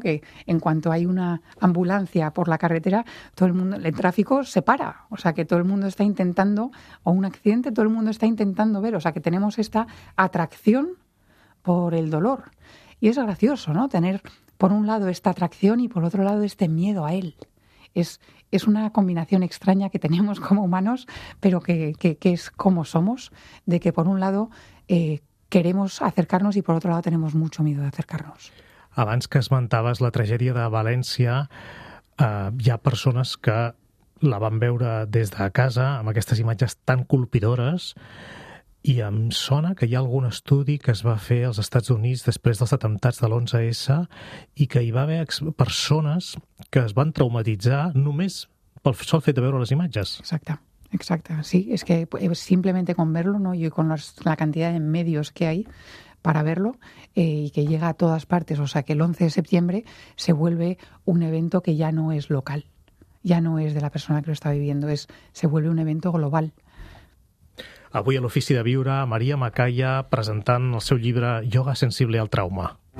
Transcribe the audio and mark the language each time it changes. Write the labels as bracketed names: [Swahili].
[Spanish] Que en cuanto hay una ambulancia por la carretera, todo el mundo, el tráfico se para, o sea que todo el mundo está intentando, o un accidente, todo el mundo está intentando ver, o sea que tenemos esta atracción por el dolor. Y es gracioso, ¿no? Tener por un lado esta atracción y por otro lado este miedo a él. Es una combinación extraña que tenemos como humanos, pero que es como somos, de que por un lado queremos acercarnos y por otro lado tenemos mucho miedo de acercarnos. [Catalan] Abans que esmentaves la tragèdia de València, hi ha persones que la van veure des de casa amb aquestes imatges tan colpidores i em sona que hi ha algun estudi que es va fer als Estats Units després dels atemptats de l'11S i que hi va haver persones que es van traumatitzar només pel sol fet de veure les imatges. Exacte. Sí, és que [Spanish] simplemente con verlo, ¿no? Y con la cantidad de medios que hay para verlo y que llega a todas partes. O sea, que el 11 de septiembre se vuelve un evento que ya no es local, ya no es de la persona que lo está viviendo, se vuelve un evento global. [Catalan] Avui a l'Ofici de Viure, Maria Macaya presentant el seu llibre Ioga sensible al trauma.